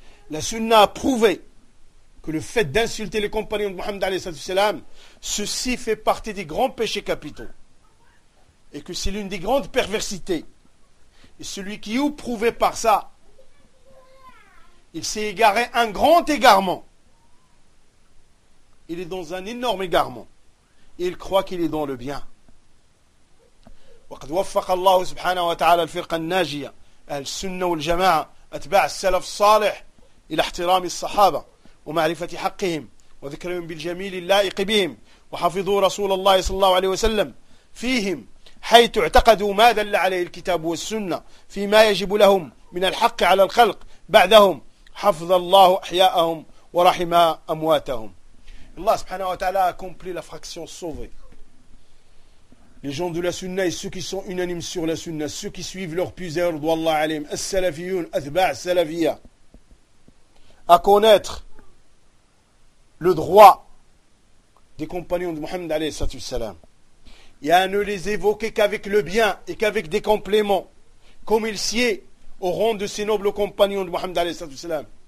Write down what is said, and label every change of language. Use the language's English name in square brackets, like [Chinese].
[French] La sunna a prouvé que le fait d'insulter les compagnons de Mohammed alayhi sallallahu alayhi wa sallam, ceci fait partie des grands péchés capitaux. Et que c'est l'une des grandes perversités. Et celui qui est prouvé par ça, il s'est égaré un grand égarement. Il est dans un énorme égarement. Et il croit qu'il est dans le bien. [Arabic] وقد وفق الله سبحانه وتعالى الفرقة الناجية أهل السنة والجماعة أتباع السلف الصالح إلى احترام الصحابة ومعرفة حقهم وذكرهم بالجميل اللائق بهم وحفظوا رسول الله صلى الله عليه وسلم فيهم حيث اعتقدوا ما دل عليه الكتاب والسنة فيما يجب لهم من الحق على الخلق بعدهم حفظ الله أحياءهم ورحم أمواتهم الله سبحانه وتعالى [French] accompli la fraction sauvée. Les gens de la sunna et ceux qui sont unanimes sur la sunna, ceux qui suivent leur puiseur, d'Allah alim, as-salafiyoun, atba' as-salafiyya, à connaître le droit des compagnons de Mohammed alayhi salam, et à ne les évoquer qu'avec le bien et qu'avec des compléments, comme il sied au rang de ces nobles compagnons de Mohammed alayhi salam.